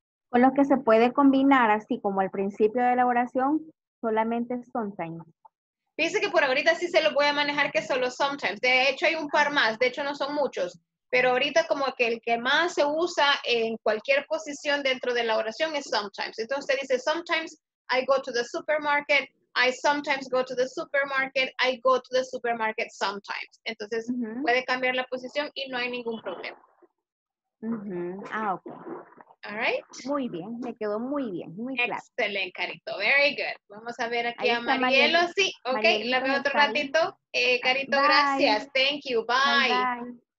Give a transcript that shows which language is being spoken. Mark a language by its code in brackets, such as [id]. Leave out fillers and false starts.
[es] Con los que se puede combinar, así como al principio de la oración, solamente sometimes. Fíjense que por ahorita sí se lo voy a manejar que solo sometimes. De hecho, hay un par más. De hecho, no son muchos. pero ahorita como que el que más se usa en cualquier posición dentro de la oración es sometimes. Entonces usted dice, [en] sometimes I go to the supermarket, I sometimes go to the supermarket, I go to the supermarket sometimes. [es] Entonces uh-huh. puede cambiar la posición y no hay ningún problema. Uh-huh. Ah, ok. [en] All right. [es] Muy bien, me quedó muy bien, muy claro. Excelente, carito, [en] very good. [es] Vamos a ver aquí ahí a Marielo, sí. Ok, la veo otro ratito. Carito, bye. Gracias, [en] thank you, bye.